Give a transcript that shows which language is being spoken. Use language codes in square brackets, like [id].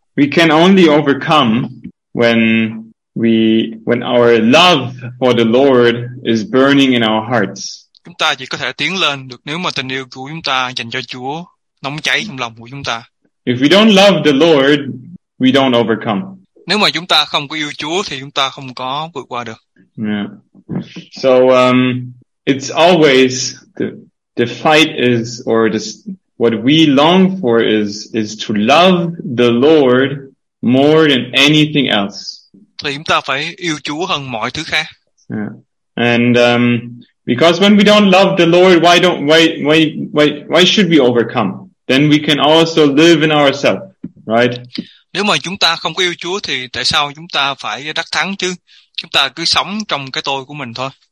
[en] We can only overcome when our love for the Lord is burning in our hearts. [vi] Chúng ta chỉ có thể tiến lên được nếu mà tình yêu của chúng ta dành cho Chúa nóng cháy trong lòng của chúng ta. [en] If we don't love the Lord, we don't overcome. [vi] Nếu mà chúng ta không có yêu Chúa thì chúng ta không có vượt qua được. [en] Yeah. So it's always the fight is or this what we long for is to love the Lord more than anything else. [vi] Thì chúng ta phải yêu Chúa hơn mọi thứ khác. [en] Yeah. And because when we don't love the Lord, why should we overcome? Then we can also live in ourselves, right? [vi] Nếu mà chúng ta không có yêu Chúa thì tại sao chúng ta phải đắc thắng chứ? Chúng ta cứ sống trong cái tôi của mình thôi.